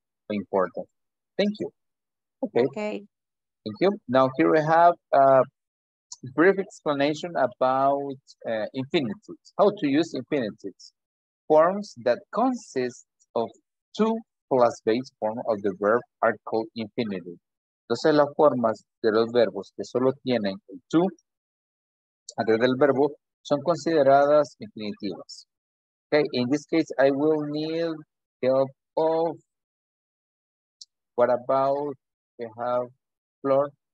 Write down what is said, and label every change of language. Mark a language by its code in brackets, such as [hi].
[en] important. Thank you. Okay. Okay. Thank you. Now here we have a brief explanation about infinitives. How to use infinitives. Forms that consist of two plus base form of the verb are called infinitive. [es] Entonces, las formas de los verbos que solo tienen el to antes del verbo son consideradas infinitivas. [en] Okay, in this case, I will need help of, what about, we have Flor?